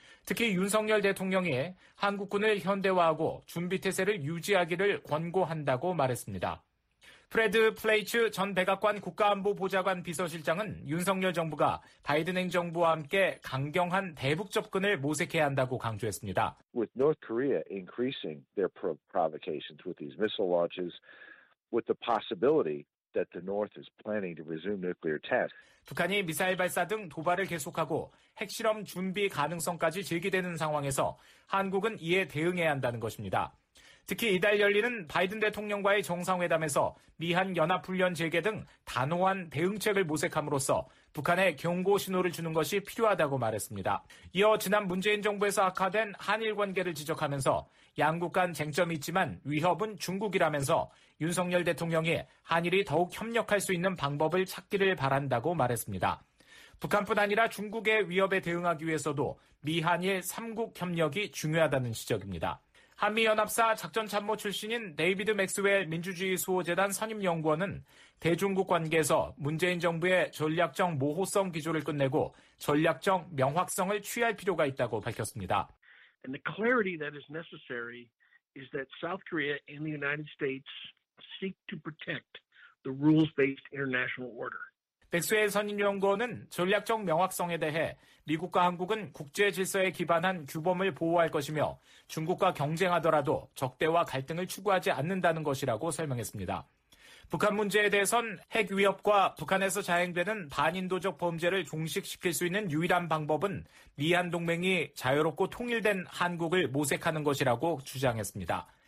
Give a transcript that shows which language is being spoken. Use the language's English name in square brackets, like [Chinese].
[Korean] 특히 윤석열 대통령이 한국군을 현대화하고 준비태세를 유지하기를 권고한다고 말했습니다. 프레드 플레이츠 전 백악관 국가안보보좌관 비서실장은 윤석열 정부가 바이든 행정부와 함께 강경한 대북 접근을 모색해야 한다고 강조했습니다. [English] With North Korea increasing their provocations with these missile launches, with the possibility that the North is planning to resume nuclear tests. [Korean] 북한이 미사일 발사 등 도발을 계속하고 핵실험 준비 가능성까지 제기되는 상황에서 한국은 이에 대응해야 한다는 것입니다. 특히 이달 열리는 바이든 대통령과의 정상회담에서 미한 연합훈련 재개 등 단호한 대응책을 모색함으로써 북한에 경고 신호를 주는 것이 필요하다고 말했습니다. 이어 지난 문재인 정부에서 악화된 한일 관계를 지적하면서 양국 간 쟁점이 있지만 위협은 중국이라면서 윤석열 대통령이 한일이 더욱 협력할 수 있는 방법을 찾기를 바란다고 말했습니다. 북한뿐 아니라 중국의 위협에 대응하기 위해서도 미한일 3국 협력이 중요하다는 지적입니다. 한미연합사 작전참모 출신인 데이비드 맥스웰 민주주의 수호재단 선임연구원은 대중국 관계에서 문재인 정부의 전략적 모호성 기조를 끝내고 전략적 명확성을 취할 필요가 있다고 밝혔습니다. [English] And the clarity that is necessary is that South Korea and the United States seek to protect the rules-based international order. [Korean] 백수의 선임연구원은 전략적 명확성에 대해 미국과 한국은 국제 질서에 기반한 규범을 보호할 것이며 중국과 경쟁하더라도 적대와 갈등을 추구하지 않는다는 것이라고 설명했습니다. 북한 문제에 대해선 핵 위협과 북한에서 자행되는 반인도적 범죄를 종식시킬 수 있는 유일한 방법은 미한 동맹이 자유롭고 통일된 한국을 모색하는 것이라고 주장했습니다.